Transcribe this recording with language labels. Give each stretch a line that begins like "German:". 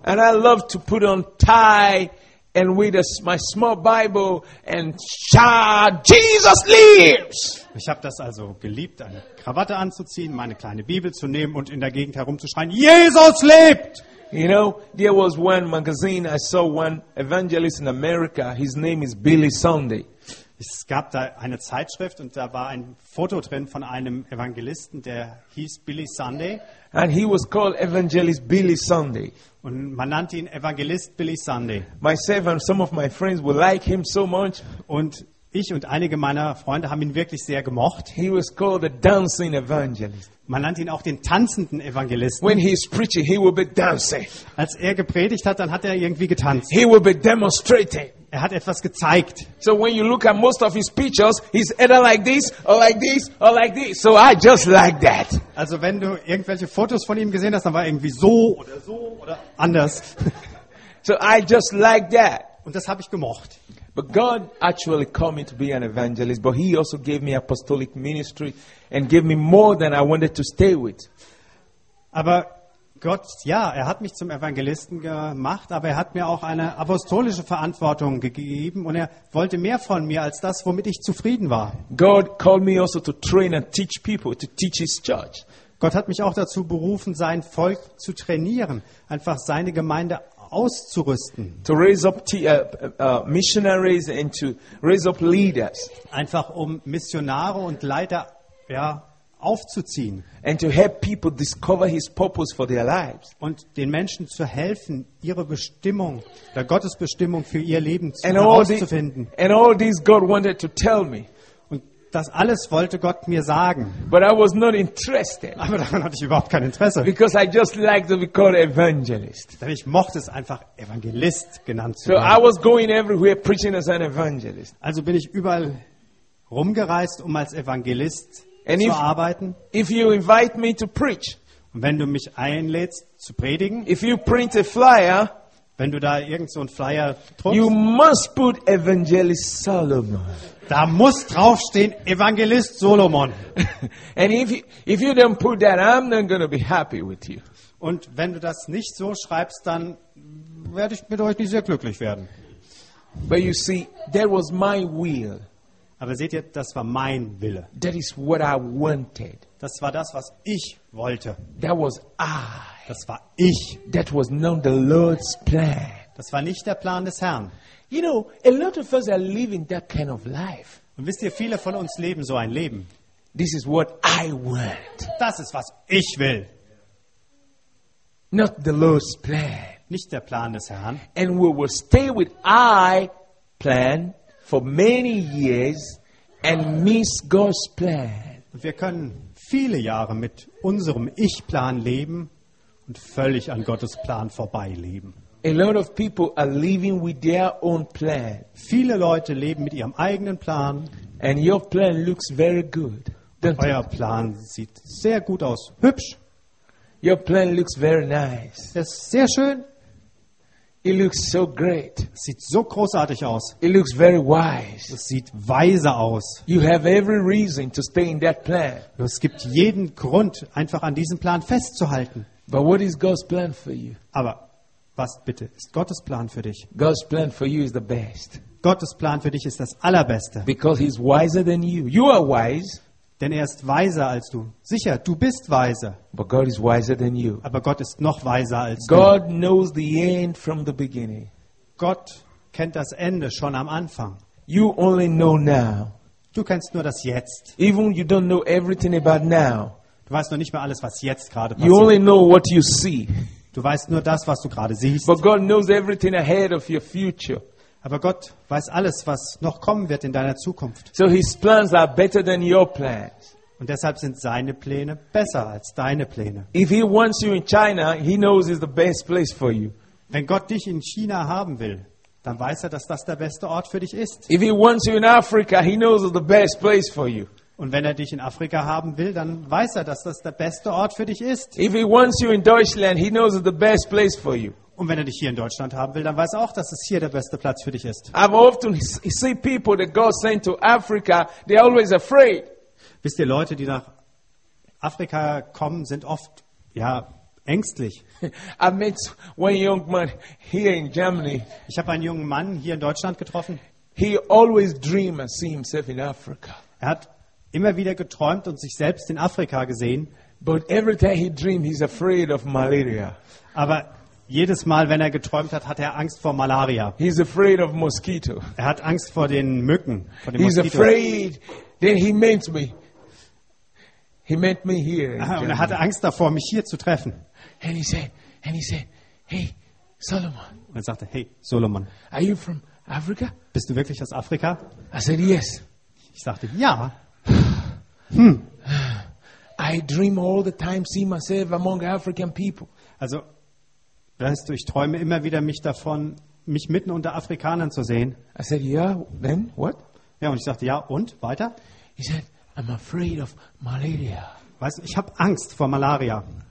English: And I love to put on tie and with my small Bible and shout, Jesus lives.
German: Ich habe das also geliebt, eine Krawatte anzuziehen, meine kleine Bibel zu nehmen und in der Gegend herumzuschreien, Jesus lebt.
English: You know, there was one magazine I saw one evangelist in America. His name is Billy Sunday.
German: Es gab da eine Zeitschrift und da war ein Foto drin von einem Evangelisten, der hieß Billy Sunday.
English: And he was called Evangelist Billy Sunday.
German: Und man nannte ihn Evangelist Billy Sunday.
English: Myself and some of my friends would like him so much.
German: Und ich und einige meiner Freunde haben ihn wirklich sehr gemocht.
English: He was called the dancing evangelist.
German: Man nannte ihn auch den tanzenden Evangelisten.
English: When he is preaching, he will be dancing.
German: Als er gepredigt hat, dann hat er irgendwie getanzt.
English: He will be demonstrating.
German: Er hat etwas gezeigt.
English: So when you look at most of his pictures, he's either like this or like this or like this. So I just like that.
German: Also wenn du irgendwelche Fotos von ihm gesehen hast, dann war er irgendwie so oder anders.
English: So I just like that.
German: Und das habe ich gemocht.
English: But God actually called me to be an evangelist, but he also gave me apostolic ministry and gave me more than I wanted to stay with.
German: Aber Gott, ja, er hat mich zum Evangelisten gemacht, aber er hat mir auch eine apostolische Verantwortung gegeben und er wollte mehr von mir als das, womit ich zufrieden war.
English: God called me also to train and teach people, to teach his church.
German: Gott hat mich auch dazu berufen, sein Volk zu trainieren, einfach seine Gemeinde auszurüsten.
English: To raise up missionaries and to raise up leaders.
German: Einfach um Missionare und Leiter, ja, aufzuziehen.
English: And to help people discover his purpose for their lives.
German: Und den Menschen zu helfen, ihre Bestimmung, der Gottesbestimmung für ihr Leben herauszufinden.
English: And all this God wanted to tell me.
German: Und das alles wollte Gott mir sagen.
English: But I was not interested.
German: Aber daran hatte ich überhaupt kein Interesse.
English: Because I just liked to be called evangelist.
German: Denn ich mochte es einfach, Evangelist genannt zu werden.
English: So I was going everywhere preaching as an evangelist.
German: Also bin ich überall rumgereist, um als Evangelist and zu arbeiten.
English: If you invite me to preach,
German: und wenn du mich einlädst zu predigen,
English: if you print a flyer,
German: wenn du da irgend so einen Flyer druckst,
English: you must put Evangelist Solomon.
German: Da muss draufstehen Evangelist Solomon.
English: And if you don't put that, I'm not gonna be happy with you.
German: Und wenn du das nicht so schreibst, dann werde ich mit euch nicht sehr glücklich werden.
English: But you see, that was my will.
German: Aber seht ihr, das war mein Wille.
English: That is what I wanted.
German: Das war das, was ich wollte.
English: That was I.
German: Das war ich.
English: That was not the Lord's plan.
German: Das war nicht der Plan des Herrn.
English: You know, a lot of us are living that kind of life.
German: Und wisst ihr, viele von uns leben so ein Leben.
English: This is what I want.
German: Das ist, was ich will.
English: Not the Lord's plan.
German: Nicht der Plan des Herrn.
English: And we will stay with I plan for many years and miss God's plan.
German: Wir können viele Jahre mit unserem Ich-Plan leben und völlig an Gottes Plan vorbeileben.
English: A lot of people are living with their own plan.
German: Viele Leute leben mit ihrem eigenen Plan.
English: And your plan looks very good.
German: Euer Plan sieht sehr gut aus. Hübsch.
English: Your plan looks very nice.
German: Das ist sehr schön.
English: It looks so great.
German: Sieht so großartig aus.
English: It looks very wise.
German: Es sieht weise aus.
English: You have every reason to stay in that plan.
German: Es gibt jeden Grund, einfach an diesem Plan festzuhalten.
English: But what is God's plan for you?
German: Aber was bitte ist Gottes Plan für dich?
English: God's plan for you is the best.
German: Gottes Plan für dich ist das Allerbeste.
English: Because he's wiser than you. You are wise.
German: Denn er ist weiser als du. Sicher, du bist weiser.
English: But God is wiser than you.
German: Aber Gott ist noch weiser als
English: God
German: du.
English: Knows the end from the beginning.
German: Gott kennt das Ende schon am Anfang.
English: You only know now.
German: Du kennst nur das Jetzt.
English: Even you don't know everything about now.
German: Du weißt noch nicht mal alles, was jetzt gerade passiert.
English: You only know what you see.
German: Du weißt nur das, was du gerade siehst.
English: But God knows everything ahead of your future.
German: Aber Gott weiß alles, was noch kommen wird in deiner Zukunft.
English: So his plans are better than your plans.
German: Und deshalb sind seine Pläne besser als deine Pläne.
English: If he wants you in China, he knows it's the best place for you.
German: Wenn Gott dich in China haben will, dann weiß er, dass das der beste Ort für dich ist.
English: If he wants you in Africa, he knows it's the best place for you.
German: Und wenn er dich in Afrika haben will, dann weiß er, dass das der beste Ort für dich ist.
English: If he wants you in Deutschland, he knows it's the best place for you.
German: Und wenn er dich hier in Deutschland haben will, dann weiß er auch, dass es hier der beste Platz für dich ist.
English: I've often seen people that God sent to Africa, they're always afraid.
German: Wisst ihr, Leute, die nach Afrika kommen, sind oft, ja, ängstlich.
English: I met one young man here in Germany.
German: Ich habe einen jungen Mann hier in Deutschland getroffen.
English: He always dreamed and see himself in Africa.
German: Er hat immer wieder geträumt und sich selbst in Afrika gesehen.
English: But every time he dreamed, he's afraid of malaria.
German: Aber jedes Mal, wenn er geträumt hat, hat er Angst vor Malaria.
English: He's afraid of mosquito.
German: Er hat Angst vor den Mücken, vor den
English: he's
German: Moskitos.
English: Afraid. Then he meant me. He meant me here.
German: Und er hatte Angst davor, mich hier zu treffen.
English: And he said, hey, Solomon.
German: Und er sagte, hey, Solomon.
English: Are you from Africa?
German: Bist du wirklich aus Afrika?
English: I said yes.
German: Ich sagte ja.
English: I dream all the time, see myself among African people.
German: Also, weißt du, ich träume immer wieder mich davon, mich mitten unter Afrikanern zu sehen.
English: I said, yeah, then, what?
German: Ja, und ich sagte, ja, und, weiter?
English: He said, I'm afraid of malaria.
German: Weißt du, ich habe Angst vor Malaria.